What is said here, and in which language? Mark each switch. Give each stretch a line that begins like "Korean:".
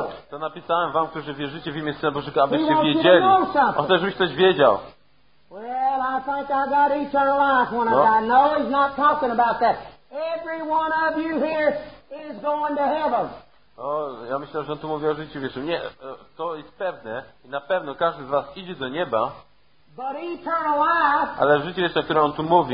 Polish: To napisałem wam, którzy wierzycie w imię Syna Bożego, abyście wiedzieli. On chce, żebyś coś wiedział.
English: Well, I think I got eternal life when I die. No, he's not talking about that. Every one of you here is going to heaven.
Polish: O, ja myślę, że on tu mówi o życiu wiecznym. Nie, to jest pewne i na pewno każdy z was idzie do nieba.
English: But eternal life,
Polish: ale życie, jeszcze, o którym on tu mówi,